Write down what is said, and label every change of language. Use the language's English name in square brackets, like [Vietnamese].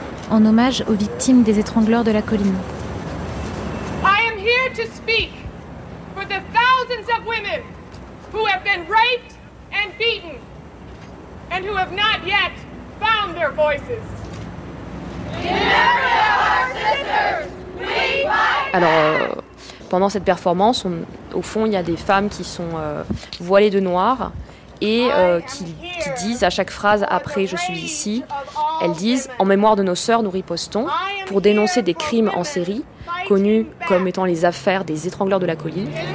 [French] En hommage aux victimes des étrangleurs de la colline. [English] I am here to speak for the thousands of women who have been raped and beaten and who have not yet found their voices. [French] Alors, pendant cette performance, au fond, il y a des femmes qui sont voilées de noir et qui disent à chaque phrase après « Je suis ici », elles disent « En mémoire de nos sœurs, nous ripostons » pour dénoncer des crimes en série, connus comme étant les affaires des étrangleurs de la colline.